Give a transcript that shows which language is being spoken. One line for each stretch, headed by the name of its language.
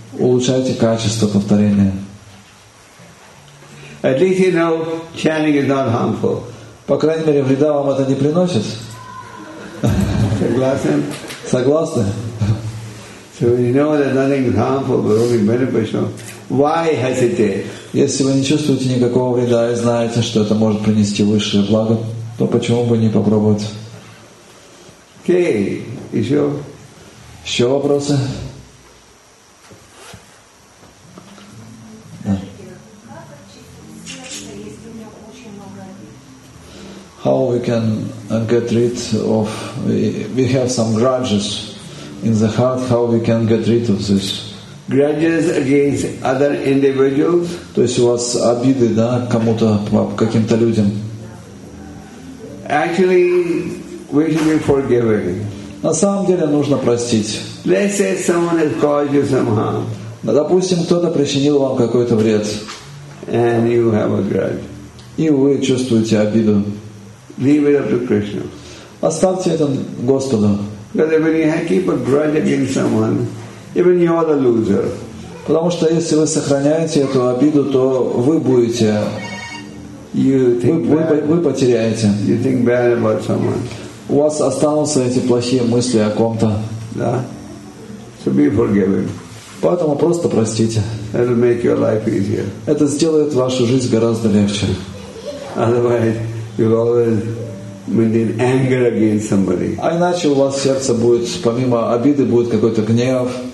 Russian: Улучшайте качество повторения.
English: At least you know chanting is not harmful.
Russian: По крайней мере, вреда вам это не приносит. Согласен? Согласны?
English: So when you know that nothing is harmful but only beneficial, why hesitate?
Russian: Если вы не чувствуете никакого вреда и знаете, что это может принести высшее благо, то почему бы не попробовать?
English: Okay,
Russian: еще? Еще вопросы?
English: How we can get rid of, we have some grudges in the heart, how we can get rid of this? Grudges against other individuals?
Russian: То есть у вас обиды, да, кому-то, каким-то людям?
English: Actually, we should be forgiving.
Russian: На самом деле нужно простить.
English: Let's say someone has caused you some harm.
Russian: Допустим, кто-то причинил вам какой-то вред.
English: And you have a grudge.
Russian: И вы чувствуете обиду.
English: Leave it up to Krishna.
Russian: Оставьте это Господу.
English: Because when you keep a grudge against someone, even you are the loser.
Russian: Потому что если вы сохраняете эту обиду, то вы будете, вы потеряете.
English: You think bad about someone.
Russian: У вас останутся эти плохие мысли о ком-то. Да.
English: So be forgiving.
Russian: Поэтому просто простите.
English: It'll make your life easier.
Russian: Это сделает вашу жизнь гораздо легче.
English: Otherwise, you always maintain anger against somebody.
Russian: А иначе у вас в сердце будет, помимо обиды, будет какой-то гнев.